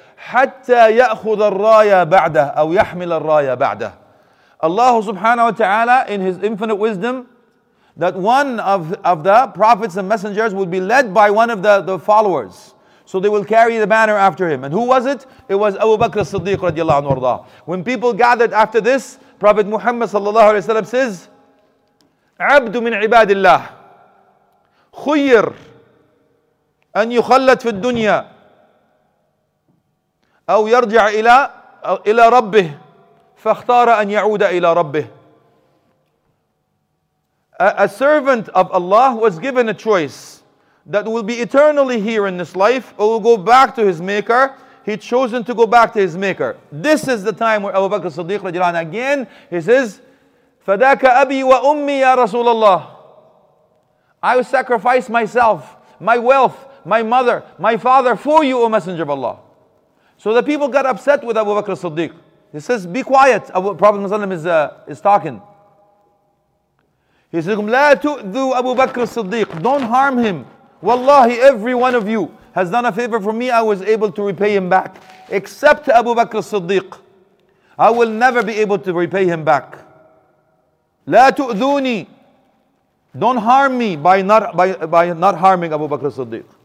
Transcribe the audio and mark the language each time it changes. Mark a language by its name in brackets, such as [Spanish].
[Arabic] حَتَّى يَأْخُذَ الرَّايَ بَعْدَهُ أَوْ يَحْمِلَ الرَّايَ بَعْدَهُ. [English] Allah subhanahu wa ta'ala, in his infinite wisdom, that one of the prophets and messengers would be led by one of the followers. So they will carry the banner after him. And who was it? It was Abu Bakr as-Siddiq radiallahu anhu arda. When people gathered after this, Prophet Muhammad sallallahu alayhi wa sallam says, [Arabic] عبد من عباد الله خير أن يخلد في الدنيا أو يرجع إلى ربه فاختار أن يعود إلى ربه. [English] A servant of Allah was given a choice that will be eternally here in this life or will go back to his maker. He chosen to go back to his maker. This is the time where Abu Bakr as-Siddiq radiallahu anhu again, he says, [Arabic] فَدَاكَ أَبِي وَأُمِّي يَا رَسُولَ اللَّهِ. [English] I will sacrifice myself, my wealth, my mother, my father for you, O Messenger of Allah. So the people got upset with Abu Bakr as-Siddiq. He says, be quiet, Prophet Muhammad is talking. He says, [Arabic] لَا تُؤْذُوا أَبُو بَكْرِ الصِّدِّيقِ. [English] Don't harm him. Wallahi, every one of you has done a favor for me, I was able to repay him back. Except Abu Bakr as-Siddiq. I will never be able to repay him back. [Arabic] لَا تُؤْذُونِي. [English] Don't harm me by not harming Abu Bakr as-Siddiq.